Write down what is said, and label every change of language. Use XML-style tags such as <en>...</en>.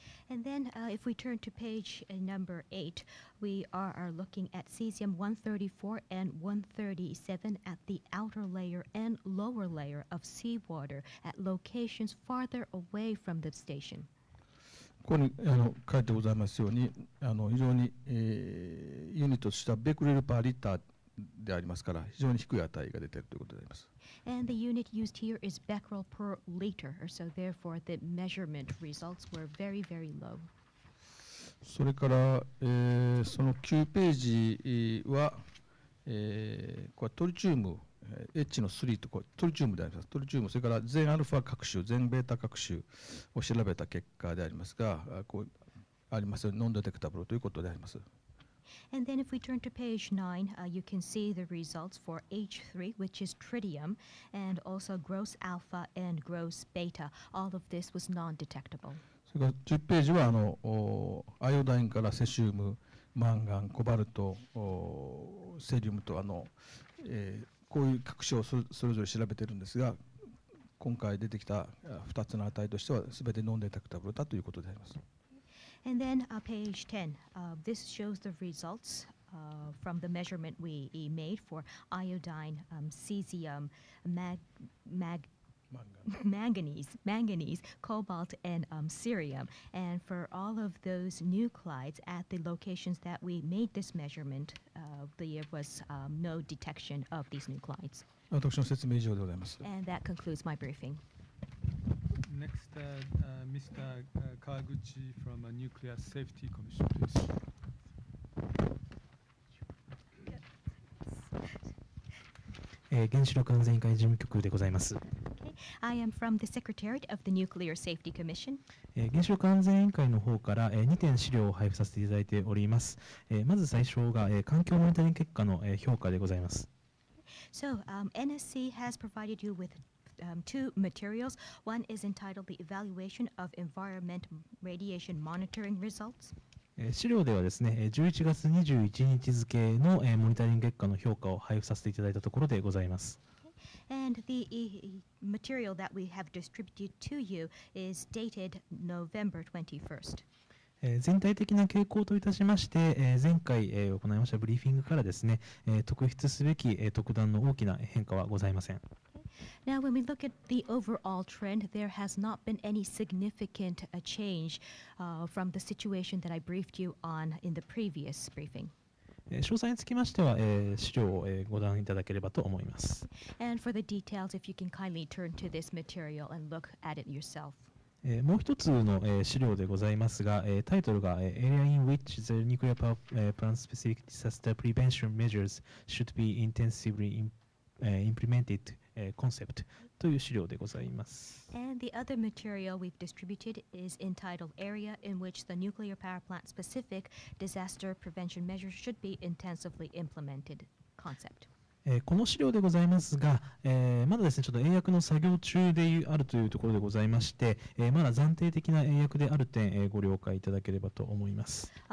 <en>And then, if we turn to page number 8, we are looking at cesium 134 and 137 at the outer layer and lower layer of seawater at locations farther away from the station.</en> <ja>ここに書いてございますように、非常に、ユニットとしてはベクレルパーリッターでありますから、非常に低い値が出ているということであります。</ja> <en>And the unit used here is becquerel per liter, so therefore the measurement results were very, very low.</en> <ja>それから、その9ページは、これはトリチウム、H の3とこれトリチウムであります。トリチウム、それから全アルファ各種、全ベータ各種を調べた結果でありますが、こうありますノンデテクタブルということであります。</ja> <en>And then if we turn to page 9, you can see the results for H3, which is tritium, and also gross alpha and gross beta. All of this was non-detectable.</en> <ja>それから10ページはアイオダインからセシウム、マンガン、コバルト、セリウムとこういう各種をそれぞれ調べているんですが、今回出てきた2つの値としては全てノンデタクタブルだということであります。</ja> <en>And then page 10, this shows the results from the measurement we made for iodine, cesium, manganese, cobalt, and cerium. And for all of those nuclides at the locations that we made this measurement, there was no detection of these nuclides.</en> <ja>私の説明以上でございます。</ja> <en>And that concludes my briefing. Next, Mr. Kawaguchi from a Nuclear Safety Commission, please.</en> <ja>原子力安全委員会事務局でございます。</ja> <en>I am from the Secretariat of the Nuclear Safety Commission.</en> <ja>原子力安全委員会の方から2点資料を配布させていただいております。まず最初が環境モニタリング結果の評価でございます。</ja> <en>So, NSC has provided you with two materials. One is entitled the Evaluation of Environment Radiation Monitoring Results.</en> <ja>資料ではですね、11月21日付のモニタリング結果の評価を配布させていただいたところでございます。</ja> <en>And the material that we have distributed to you is dated November 21st.</en> <ja>全体的な傾向といたしまして、前回行いましたブリーフィングからですね、特筆すべき特段の大きな変化はございません。</ja> <en>Now, when we look at the overall trend, there has not been any significant change from the situation that I briefed you on in the previous briefing.</en> <ja>詳細につきましては、資料をご覧いただければと思います。</ja> <en>And for the details, if you can kindly turn to this material and look at it yourself.</en> <ja>もう一つの資料でございますが、タイトルが</ja> <en>Area in which the nuclear plant specific disaster prevention measures should be intensively implementedconcept</en> <ja>という資料でございます。</ja> <en>And the other material we've distributed is entitled Area in which the nuclear power plant specific disaster prevention measures should be intensively implemented concept.</en> <ja>この資料でございますが、まだですね、ちょっと英訳の作業中であるというところでございまして、まだ暫定的な英訳である点、ご了解いただければと思います。</ja>